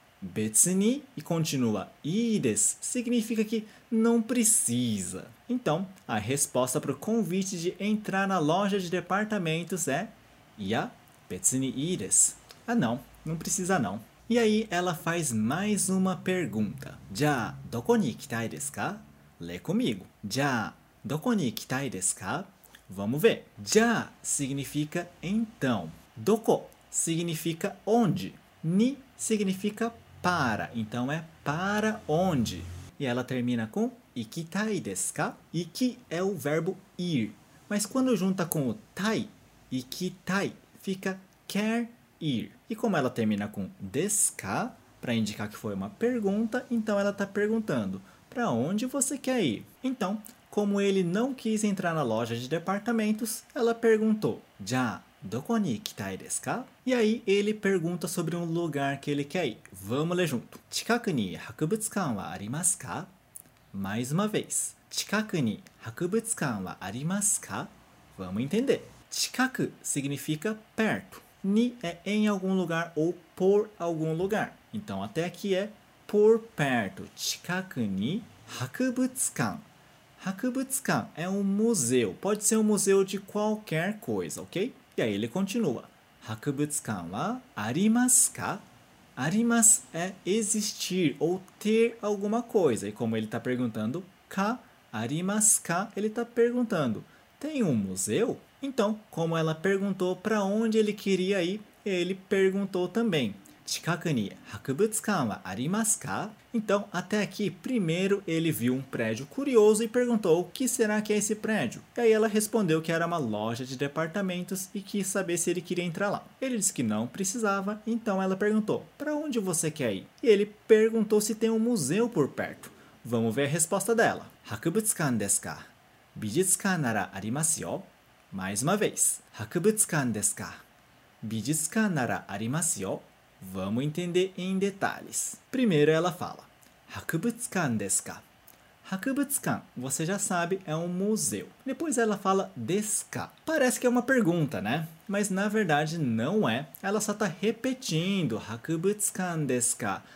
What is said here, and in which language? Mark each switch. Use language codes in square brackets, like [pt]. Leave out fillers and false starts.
[pt] 別に e continua いいです significa que não precisa. Então, a resposta para o convite de entrar na loja de departamentos é ia, [ja] 別にいいです [pt] Ah, não, não precisa não. E aí, ela faz mais uma pergunta. [ja] Já, どこに行きたいですか? [pt] Lê comigo. [ja] Já, どこに行きたいですか? [pt] Vamos ver. Já significa então. どこ significa onde. Ni significa para. Então é para onde. E ela termina com [ja] 行きたいですか? [pt] Iki é o verbo ir. Mas quando junta com o tai, 行きたい fica quer ir. E como ela termina com desu ka, para indicar que foi uma pergunta, então ela está perguntando, para onde você quer ir? Então, como ele não quis entrar na loja de departamentos, ela perguntou, já, [ja] どこに行きたいですか? [pt] E aí, ele pergunta sobre um lugar que ele quer ir. Vamos ler junto. [ja] 近くに博物館はありますか? [pt] Mais uma vez. [ja] 近くに博物館はありますか? [pt] Vamos entender. 近く significa perto. Ni é em algum lugar ou por algum lugar. Então, até aqui é por perto. 近くに博物館Hakubutsukan é um museu. Pode ser um museu de qualquer coisa, ok? E aí ele continua. Hakubutsukan wa arimasu ka? Arimasu é existir ou ter alguma coisa. E como ele está perguntando ka, arimasu ka, ele está perguntando, tem um museu? Então, como ela perguntou para onde ele queria ir, ele perguntou também. [ja] 近くに博物館はありますか? [pt] Então, até aqui, primeiro ele viu um prédio curioso e perguntou o que será que é esse prédio. E aí ela respondeu que era uma loja de departamentos e quis saber se ele queria entrar lá. Ele disse que não precisava, então ela perguntou, para onde você quer ir? E ele perguntou se tem um museu por perto. Vamos ver a resposta dela. [ja] 博物館ですか? 美術館ならありますよ? [pt] Mais uma vez. [ja] 博物館ですか? 美術館ならありますよ? [pt] Vamos entender em detalhes. Primeiro ela fala, Hakubutsukan desu ka? Hakubutsukan, você já sabe, é um museu. Depois ela fala, desu ka? Parece que é uma pergunta, né? Mas na verdade não é. Ela só está repetindo, Hakubutsukan desu ka?